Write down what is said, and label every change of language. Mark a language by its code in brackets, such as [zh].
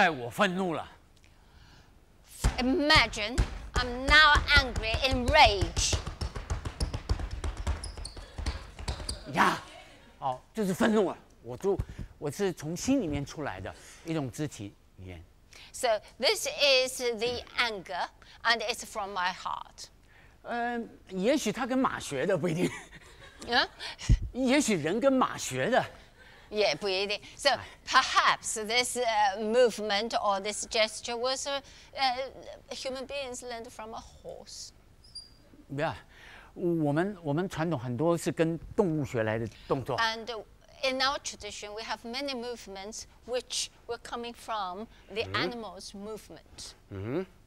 [zh] 好比说，我现在我愤怒了. [en] Imagine I'm now angry in rage. [zh] 呀，哦，就是愤怒了，我就。我是从心里面出来的一种肢体语言. [en] So this is the anger, and it's from my heart. [zh] 也许他跟马学的不一定. 也许人跟马学的也不一定. [en] So perhaps this movement or this gesture was human beings learned from a horse. [zh] Yeah, 我们传统很多是跟动物学来的动作. [en] And in our tradition, we have many movements which were coming from the animal's movement.